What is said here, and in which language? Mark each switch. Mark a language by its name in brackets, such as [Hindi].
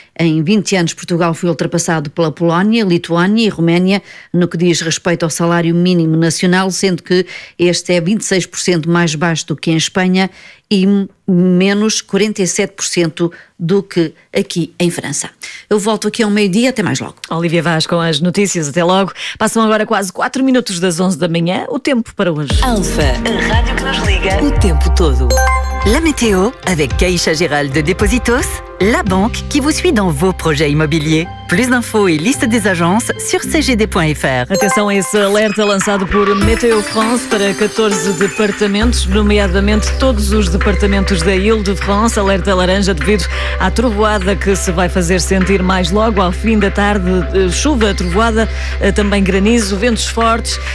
[Portuguese] Em 20 anos, Portugal foi ultrapassado pela Polónia, Lituânia e Roménia no que diz respeito ao salário mínimo nacional, sendo que este é 26% mais baixo do que em Espanha e menos 47% do que aqui em França. Eu volto aqui ao meio-dia, até mais logo. Olívia Vaz com as notícias, até logo. Passam agora quase 4 minutos das 11 da manhã, o tempo para hoje. Alfa, a rádio que nos liga o tempo todo. [French] La Météo, avec Caixa Geral de Depósitos, la banque qui vous suit dans vos projets immobiliers. Plus d'infos et liste des agences sur cgd.fr. [Portuguese] Atenção a esse alerta lançado por Météo France para 14 departamentos, nomeadamente todos os departamentos da Ile-de-France. Alerta laranja devido à trovoada que se vai fazer sentir mais logo ao fim da tarde. Chuva, trovoada, também granizo, ventos fortes.